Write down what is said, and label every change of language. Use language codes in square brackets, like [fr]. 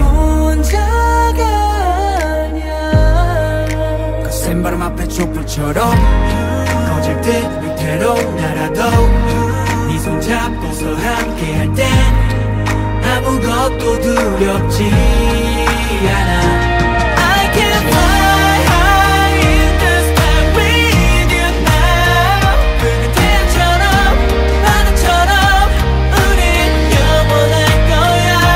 [ko] 혼자가 아니야. 거센 바람 앞에 촛불처럼 거짓들 위태로 날아도 손잡고서 함께 할 땐 아무것도 두렵지 않아. [en] I can fly high in the sky with you now. [ko] 그때처럼 바다처럼 우린 영원할 거야.